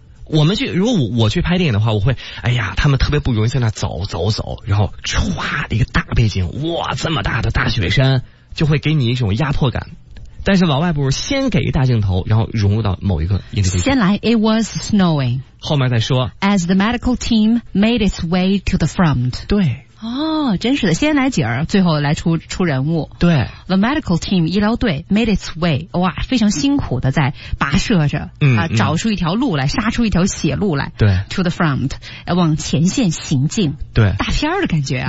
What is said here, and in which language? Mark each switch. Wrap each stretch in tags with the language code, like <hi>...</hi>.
<zh>我们去，如果我去拍电影的话，我会，哎呀，他们特别不容易在那走走走，然后唰一个大背景，哇，这么大的大雪山，就会给你一种压迫感。但是老外不是先给一大镜头，然后融入到某一个影片。先来</zh> <en>，It was snowing。</en> <zh>后面再说。</zh> <en>As the medical team made its way to the front。</en> <zh>对。哦，真是的，先来景儿，最后来出人物。对，</zh> <en>The medical team</en> <zh>医疗队</zh> <en>made its way，</en> <zh>哇，非常辛苦的在跋涉着，找出一条路来，杀出一条血路来。对</zh> <en>，to the front，</en> <zh>往前线行进。对，大片儿的感觉啊，</zh>